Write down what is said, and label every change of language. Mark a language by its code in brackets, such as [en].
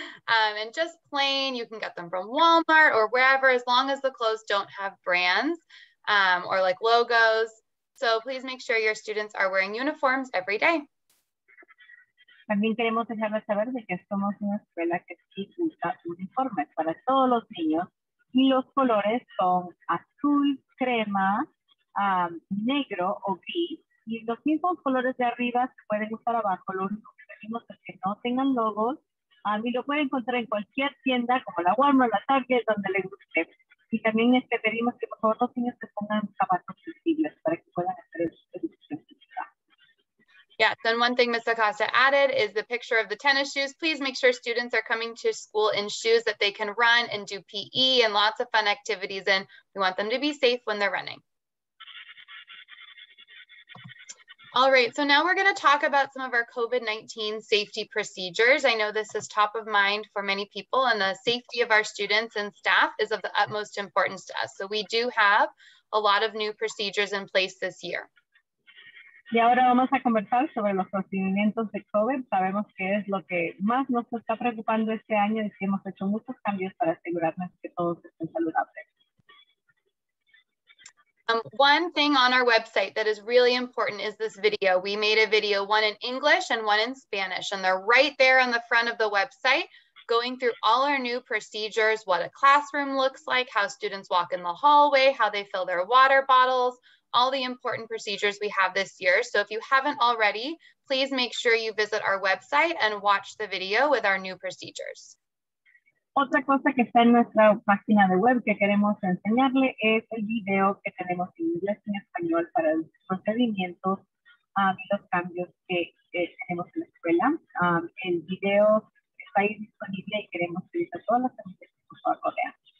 [en] And just plain, you can get them from Walmart or wherever, as long as the clothes don't have brands or like logos. So please make sure your students are wearing uniforms every day. [es] También queremos dejarles saber de que somos una escuela que sí usa uniformes para todos los niños y los colores son azul, crema, negro o gris y los mismos colores de arriba se pueden usar abajo. Lo único que pedimos es que no tengan logos y lo pueden encontrar en cualquier tienda como la Walmart, la Target, donde le guste. Y también pedimos que por favor los niños se pongan zapatos flexibles para que puedan hacer su educación. [en] Yes, and one thing Ms. Acosta added is the picture of the tennis shoes. Please make sure students are coming to school in shoes that they can run and do PE and lots of fun activities in. We want them to be safe when they're running. All right, so now we're going to talk about some of our COVID-19 safety procedures. I know this is top of mind for many people, and the safety of our students and staff is of the utmost importance to us. So we do have a lot of new procedures in place this year. [es] Y ahora vamos a conversar sobre los procedimientos de COVID. Sabemos que es lo que más nos está preocupando este año y que hemos hecho muchos cambios para asegurarnos que todos estén saludables. [en] One thing on our website that is really important is this video. We made a video, one in English and one in Spanish, and they're right there on the front of the website, going through all our new procedures, what a classroom looks like, how students walk in the hallway, how they fill their water bottles, all the important procedures we have this year. So if you haven't already, please make sure you visit our website and watch the video with our new procedures. [es] Otra cosa que está en nuestra página de web que queremos enseñarle es el video que tenemos en inglés y en español para los procedimientos y los cambios que tenemos en la escuela. El video está ahí disponible y queremos pedirle a todas las familias que por favor lo vean.